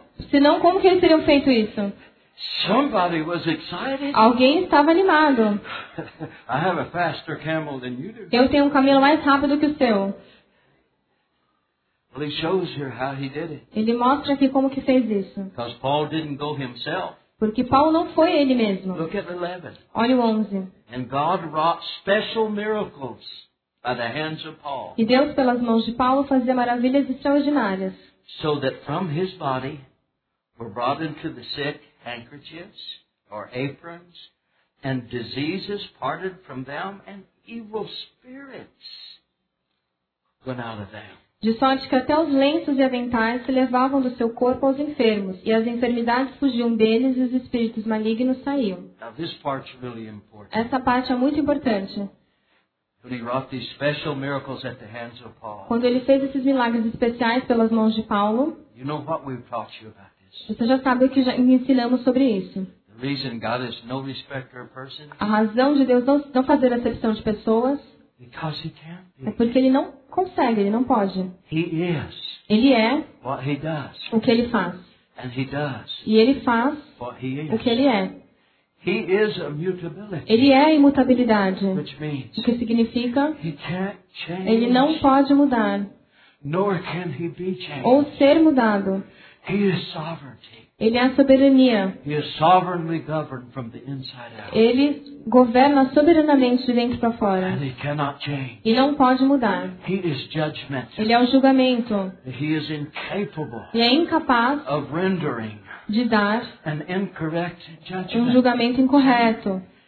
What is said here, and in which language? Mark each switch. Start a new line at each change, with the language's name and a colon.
Portuguese: Senão, como que eles teriam feito isso?
English: Somebody was excited.
Portuguese: Alguém estava animado.
English: I have a faster camel than you do.
Portuguese: Eu tenho um camelo mais rápido que o seu.
English: Well, he shows here how he did it.
Portuguese: Ele mostra aqui como que fez isso.
English: Because Paul didn't go himself.
Portuguese: Porque Paulo não foi ele mesmo.
English: Look at 11.
Portuguese: Olha o 11.
English: And God wrought special miracles by the hands of Paul.
Portuguese: E Deus, pelas mãos de Paulo, fazia maravilhas extraordinárias.
English: So that from his body were brought into the sick handkerchiefs or aprons, and diseases parted from them, and evil spirits went out of them.
Portuguese: De sorte que até os lenços e aventais se levavam do seu corpo aos enfermos, e as enfermidades fugiam deles e os espíritos malignos saíam.
English: Now, this part's really important.
Portuguese: Essa parte é muito importante.
English: When he wrought these special miracles at the hands of Paul,
Portuguese: quando ele fez esses milagres especiais pelas mãos de Paulo,
English: you know what we've taught you about this.
Portuguese: Você já sabe o que já ensinamos sobre isso.
English: The reason God is no respecter of persons,
Portuguese: a razão de Deus não fazer acepção de pessoas,
English: because he can't be.
Portuguese: É porque ele não consegue, ele não pode.
English: He is.
Portuguese: Ele é
English: what he does.
Portuguese: O que ele faz.
English: And he does.
Portuguese: E ele faz
English: what he is.
Portuguese: O que ele é.
English: He is a mutability.
Portuguese: Ele é a imutabilidade.
English: Which means
Portuguese: o que significa?
English: He can't change.
Portuguese: Ele não pode mudar.
English: Nor can he be changed.
Portuguese: Ou ser mudado.
English: He is sovereignty.
Portuguese: Ele é a soberania.
English: He is sovereignly governed from the inside out.
Portuguese: Ele governa soberanamente de dentro para fora.
English: And he cannot change.
Portuguese: E não pode mudar.
English: He is judgmental.
Portuguese: Ele é o julgamento.
English: He is incapable.
Portuguese: E é incapaz
English: of rendering
Portuguese: de dar
English: an incorrect judgment.
Portuguese: Um julgamento incorreto.